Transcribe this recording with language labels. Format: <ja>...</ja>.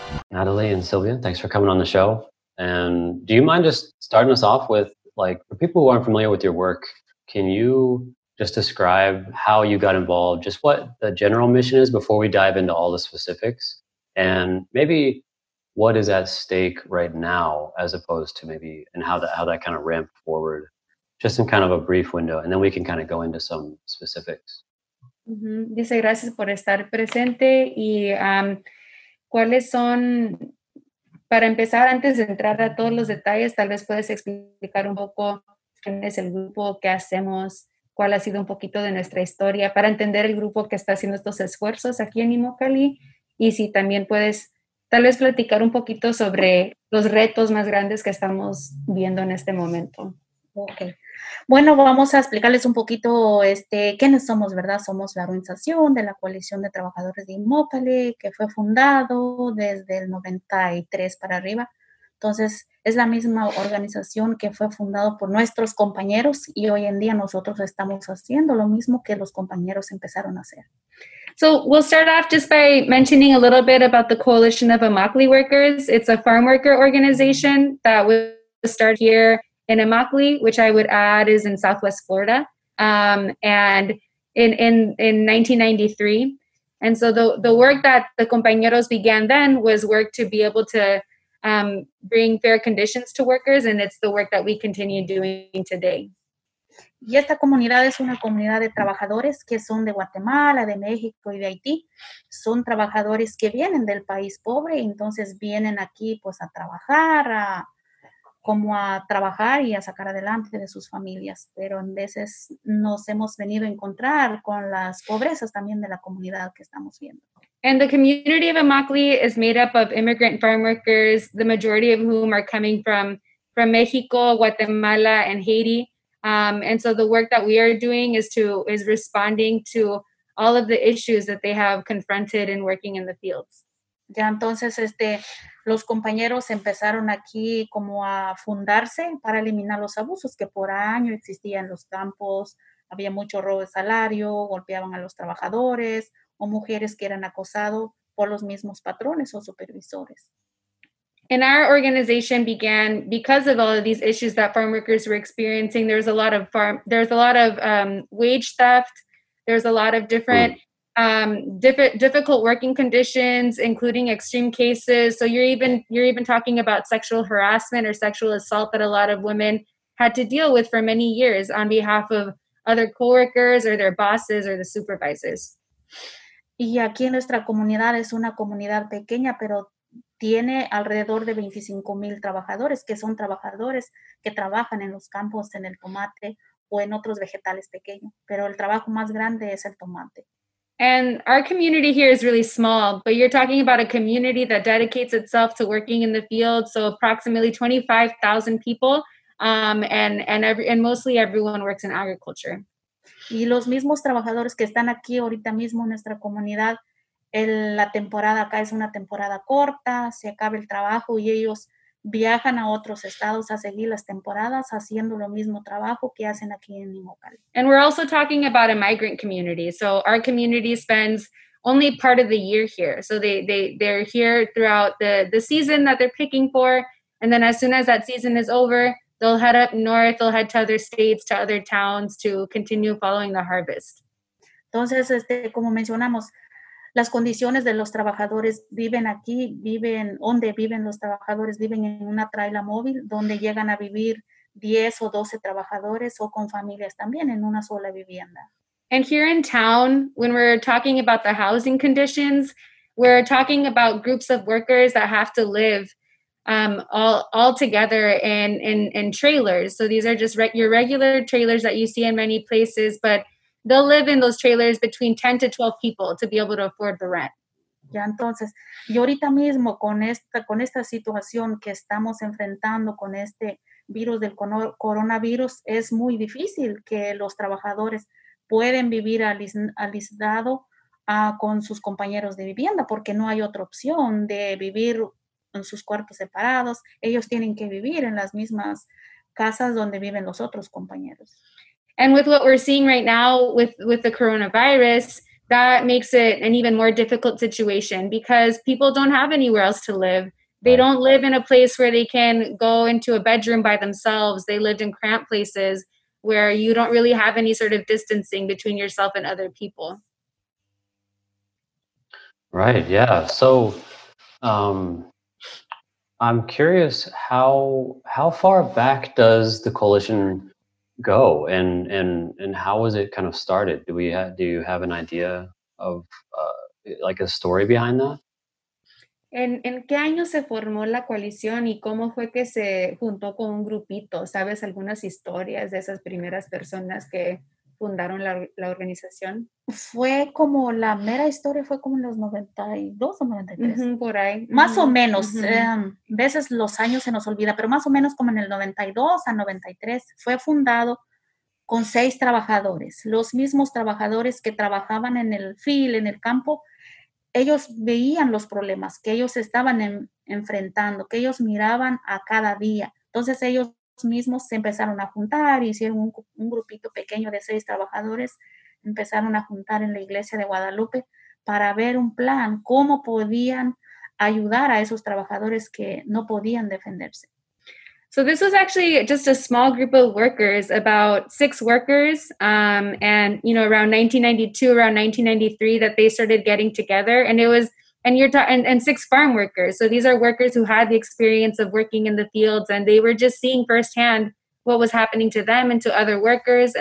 <en>Natalie and Sylvia, thanks for coming on the show. And do you mind just starting us off with, like, for people who aren't familiar with your work, can you just describe how you got involved, just what the general mission is before we dive into all the specifics? And maybe what is at stake right now, as opposed to maybe, and how that kind of ramped forward, just in kind of a brief window, and then we can kind of go into some specifics.</en> <es>Dice gracias por estar presente. Y cuáles son, para empezar, antes de entrar a todos los detalles, tal vez puedes explicar un poco quién es el grupo, qué hacemos, cuál ha sido un poquito de nuestra historia, para entender el grupo que está haciendo estos esfuerzos aquí en Immokalee, y si también puedes tal vez platicar un poquito sobre los retos más grandes que estamos viendo en este momento. Okay. Bueno, vamos a explicarles un poquito quiénes somos, ¿verdad? Somos la organización de la Coalición de Trabajadores de Immokalee, que fue fundado desde el 93 para arriba. Entonces, es la misma organización que fue fundado por nuestros compañeros, y hoy en día nosotros estamos haciendo lo mismo que los compañeros empezaron a hacer.</es> <en>So we'll start off just by mentioning a little bit about the Coalition of Immokalee Workers. It's a farm worker organization that was started here in Immokalee, which I would add is in Southwest Florida, and in 1993. And so the work that the compañeros began then was work to be able to bring fair conditions to workers, and it's the work that we continue doing today.</en> <es>Y esta comunidad es una comunidad de trabajadores que son de Guatemala, de México y de Haití. Son trabajadores que vienen del país pobre, entonces vienen aquí pues a trabajar, a trabajar y a sacar adelante de sus familias. Pero en veces nos hemos venido a encontrar con las pobrezas también de la comunidad que estamos viendo.</es> <en>And the community of Immokalee is made up of immigrant farm workers, the majority of whom are coming from Mexico, Guatemala, and Haiti. And so the work that we are doing is responding to all of the issues that they have confronted in working in the fields.</en> <es>Ya entonces los compañeros empezaron aquí como a fundarse para eliminar los abusos que por año existían en los campos. Había mucho robo de salario, golpeaban a los trabajadores o mujeres que eran acosados por los mismos patrones o supervisores.</es> <en>And our organization began because of all of these issues that farm workers were experiencing. There's a lot of wage theft. There's a lot of different difficult working conditions, including extreme cases. So you're even talking about sexual harassment or sexual assault that a lot of women had to deal with for many years on behalf of other coworkers or their bosses or the supervisors.</en> <es>Y aquí nuestra comunidad es una comunidad pequeña, pero tiene alrededor de 25,000 trabajadores, que son trabajadores que trabajan en los campos, en el tomate o en otros vegetales pequeños. Pero el trabajo más grande es el tomate.</es> <en>And our community here is really small, but you're talking about a community that dedicates itself to working in the field. So approximately 25,000 people And mostly everyone works in agriculture.</en> <es>Y los mismos trabajadores que están aquí ahorita mismo en nuestra comunidad, la temporada acá es una temporada corta, se acaba el trabajo y ellos viajan a otros estados a seguir las temporadas haciendo lo mismo trabajo que hacen aquí en Imokal.</es> <en>And we're also talking about a migrant community. So our community spends only part of the year here. So they're here throughout the season that they're picking for. And then as soon as that season is over, they'll head up north, they'll head to other states, to other towns to continue following the harvest.</en> <es>Entonces, como mencionamos, las condiciones de los trabajadores viven aquí, viven donde viven los trabajadores, viven en una traila móvil donde llegan a vivir 10 o 12 trabajadores o con familias también en una sola vivienda.</es> <en>And here in town, when we're talking about the housing conditions, we're talking about groups of workers that have to live all together in trailers. So these are just your regular trailers that you see in many places, but they'll live in those trailers between 10 to 12 people to be able to afford the rent.</en> <es>Ya, entonces, y ahorita mismo con esta situación que estamos enfrentando con este virus del coronavirus, es muy difícil que los trabajadores pueden vivir alistado con sus compañeros de vivienda porque no hay otra opción de vivir en sus cuartos separados. Ellos tienen que vivir en las mismas casas donde viven los otros compañeros.</es> <en>And with what we're seeing right now with the coronavirus, that makes it an even more difficult situation because people don't have anywhere else to live. They don't live in a place where they can go into a bedroom by themselves. They lived in cramped places where you don't really have any sort of distancing between yourself and other people. Right, yeah. So I'm curious, how far back does the coalition go, and how was it kind of started? Do you have an idea of like a story behind that?</en> <es>¿En qué año se formó la coalición y cómo fue que se juntó con un grupito? ¿Sabes algunas historias de esas primeras personas que fundaron la organización? Fue como la mera historia, fue como en los 92 o 93. Mm-hmm, por ahí. Más mm-hmm. o menos, mm-hmm. Veces los años se nos olvida, pero más o menos como en el 92 a 93 fue fundado con 6 trabajadores. Los mismos trabajadores que trabajaban en el field, en el campo, ellos veían los problemas que ellos estaban enfrentando, que ellos miraban a cada día. Entonces ellos mismos se empezaron a juntar, hicieron un grupito pequeño de 6 trabajadores, empezaron a juntar en la iglesia de Guadalupe para ver un plan, cómo podían ayudar a esos trabajadores que no podían defenderse.</es> <en>So this was actually just a small group of workers, about 6 workers, and you know, around 1992, around 1993 that they started getting together, and it was And 6 farm workers. So these are workers who had the experience of working in the fields, and they were just seeing firsthand what was happening to them and to other workers.</en>